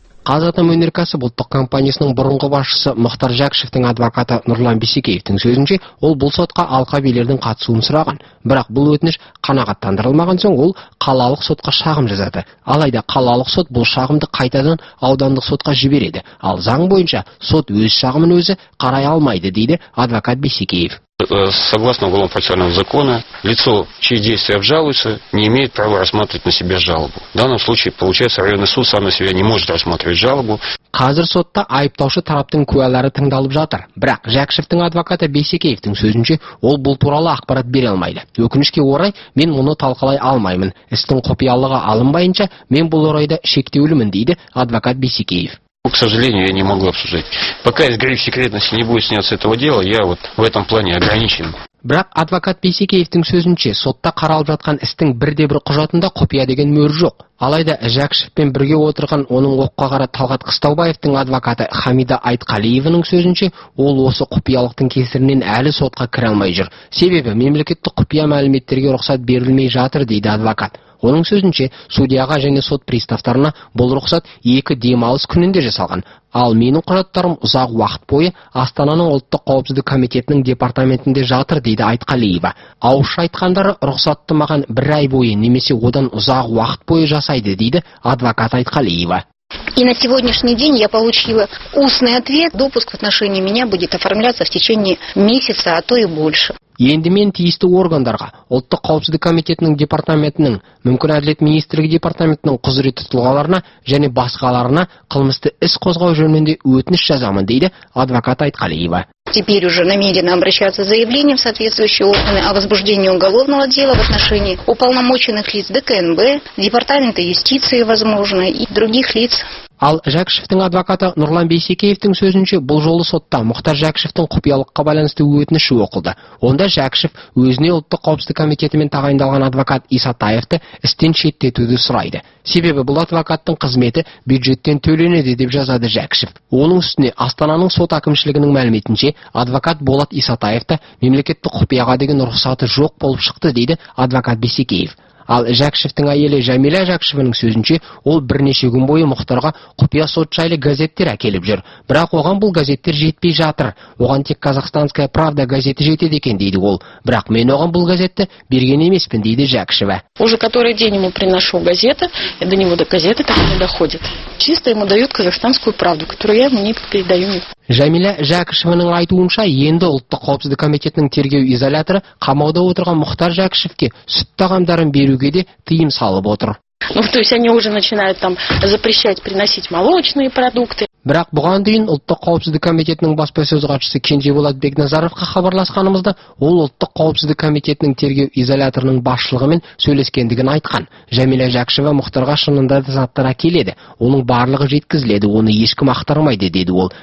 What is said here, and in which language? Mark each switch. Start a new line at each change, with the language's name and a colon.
Kazakh: Қазатомөнеркәсіп ұлттық компаниясының бұрынғы басшысы Мұхтар Жәкішевтің адвокаты Нұрлан Бейсекеевтің сөзінше, ол бұл сотқа алқабилердің қатысуын сұраған, бірақ бұл өтініш қанағаттандырылмаған соң ол қалалық сотқа шағым жазады. Алайда қалалық сот бұл шағымды қайтадан аудандық сотқа жібереді, ал заң бойынша сот өз шағымын өзі қарай алмайды, дейді адвокат Бейсекеев.
Russian: Согласно уголовно-процессуального закона, лицо, чьи действия обжалуются, не имеет права рассматривать на себя жалобу. В данном случае, получается, районный суд сам на себя не может рассматривать жалобу.
Kazakh: Қазір сотта айыптаушы тараптың куәлері тыңдалып жатыр. Бірақ Жәкішевтің адвокаты Бейсекеевтің сөзінше, ол бұл туралы ақпарат бере алмайды. Өкінішке орай, мен мұны талқылай алмаймын. Істің құпиялығы алынбайынша, мен бұл орайда шектеулімін, дейді адвокат Бейсекеев.
Russian: К сожалению, я не могу обсуждать. Пока из грех секретности не будет сняться этого дела, я вот в этом плане ограничен.
Kazakh: Бірақ адвокат Бейсекеевтің сөзінше, сотта қаралып жатқан істің бірде-бір құжатында құпия деген мөр жоқ. Алайда Жәкішевпен бірге отырған оның оққа қара Талғат Қыстаубаевтың адвокаты Хамида Айтқалиевінің сөзінше, ол осы құпиялықтың кесірінен әлі сотқа кіре алмай жүр. Себебі мемлекеттік құпия мәліметтерге рұқсат берілмей жатыр, дейді адвокат. Оның сөзінше, судьяға және сот приставтарына бұл рұқсат 2 демалыс күнінде жасалған. Ал менің құжаттарым ұзақ уақыт бойы Астананың ұлттық қауіпсіздік комитетінің департаментінде жатыр, дейді Айтқалиева. Ауызша айтқандары рұқсатты маған бір ай бойы немесе одан ұзақ уақыт бойы жасайды, дейді адвокат Айтқалиева.
Russian: И на сегодняшний день я получила устный ответ. Допуск в отношении меня будет оформляться в течение месяца, а то и больше.
Kazakh: Енді мен тиісті органдарға, Ұлттық қауіпсіздік комитетінің департаментінің, мүмкін әділет министрлігі департаментінің құзыретті тұлғаларына және басқаларына қылмысты іс қозғау жөнінде өтініш жазамын, дейді адвокат Айтқалиева.
Russian: Теперь уже намерена обращаться с заявлением в соответствующие органы о возбуждении уголовного дела в отношении уполномоченных лиц ДКНБ, Департамента юстиции, возможно, и других лиц.
Kazakh: Ал Жакшевтің адвокаты Нұрлан Бейсекеевтің сөзінше, бұл жолы сотта Мұхтар Жакшевтің құпиялыққа байланысты өтініші оқылды. Онда Жакшев өзіне ұлттық қауіпсіздік комитетімен тағайындалған адвокат Исатаевты істен шеттетуді сұрайды. Себебі бұл адвокаттың қызметі бюджеттен төленеді деп жазады Жакшев. Оның үстіне Астананың сот әкімшілігінің мәліметінше адвокат Болат Исатаевты мемлекеттік құпияға деген рұқсаты жоқ болып шықты дейді адвокат Бейсекеев. Ал Жакшевтің әйелі Жәмила Жакшевінің сөзінше, ол бірнеше күн бойы Мұхтарға құпия сот жайлы газеттер әкеліп жүр. Бірақ оған бұл газеттер жетпей жатыр. Оған тек Казахстанская правда газеті жетеді екен дейді ол. Бірақ мен оған бұл газетті берген емеспін дейді Жакшева.
Russian: Уже который день ему приношу газеты, и до него до газеты так не доходит. Чисто ему дают Казахстанскую правду, которую я ему не передаю.
Kazakh: Жәмила Жакшевінің айтуынша, енді ұлттық қауіпсіздік комитетінің тергеу изоляторы қамауда отырған Мұхтар Жакшевке сүт тағамдарын беруге де тыйым салып отыр.
Russian: Ну, то есть они уже начинают там запрещать приносить молочные продукты.
Kazakh: Бірақ бұған дейін ұлттық қауіпсіздік комитетінің баспасөз хатшысы Кенжеболат Бекназаровқа хабарласқанымызда, ол ұлттық қауіпсіздік комитетінің тергеу изоляторының басшылығымен сөйлескендігін айтқан. Жәмила Жакшева Мұхтарға шынында да заттар әкеледі. Оның барлығы жеткізіледі, оны ешкім ақтармайды деді ол.